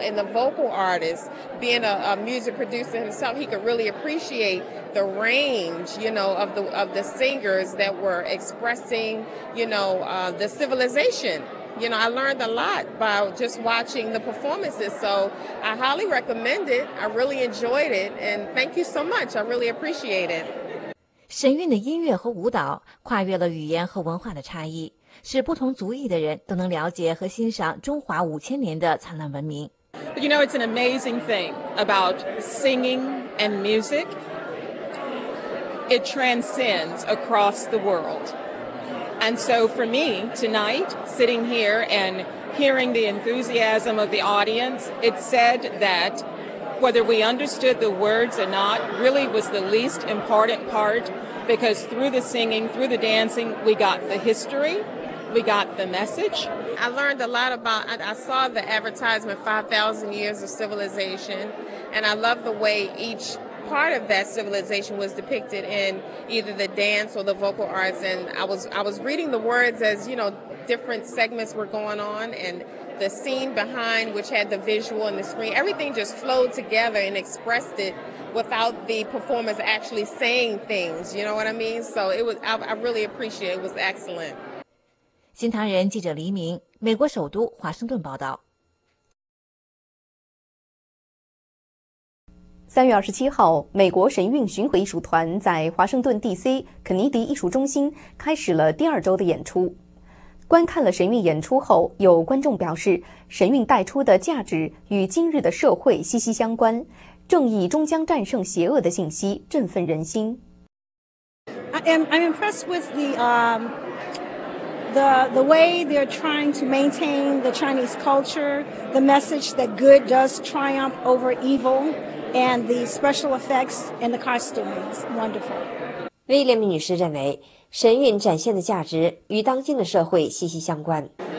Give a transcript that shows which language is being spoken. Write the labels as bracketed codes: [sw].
[en] And the vocal artist, being a music producer himself, he could really appreciate the range, you know, of the singers that were expressing, you know, the civilization. You know, I learned a lot by just watching the performances, so I highly recommend it. I really enjoyed it, and thank you so much. I really appreciate it. [zh] 神韵的音乐和舞蹈跨越了语言和文化的差异，使不同族裔的人都能了解和欣赏中华五千年的灿烂文明。 [en] But you know, it's an amazing thing about singing and music. It transcends across the world. And so for me, tonight, sitting here and hearing the enthusiasm of the audience, it said that... Whether we understood the words or not really was the least important part because through the singing, through the dancing, we got the history we got the message. I learned a lot about, I saw the advertisement 5,000 Years of Civilization, and I love the way each part of that civilization was depicted in either the dance or the vocal arts, and I was reading the words as, you know, different segments were going on, and the scene behind, which had the visual and the screen, everything just flowed together and expressed it without the performers actually saying things, you know what I mean? So it was, I really appreciate it. It was excellent. [zh] 新唐人记者黎明，美国首都华盛顿报道。 3月27号，美国神韵巡回艺术团在华盛顿 DC 肯尼迪艺术中心开始了第二周的演出。观看了神韵演出后，有观众表示，神韵带出的价值与今日的社会息息相关，正义终将战胜邪恶的信息振奋人心。 [en] I'm impressed with the way they're trying to maintain the Chinese culture, the message that good does triumph over evil, and the special effects and the costumes, wonderful. [zh] William 女士认为，神韵展现的价值与当今的社会息息相关。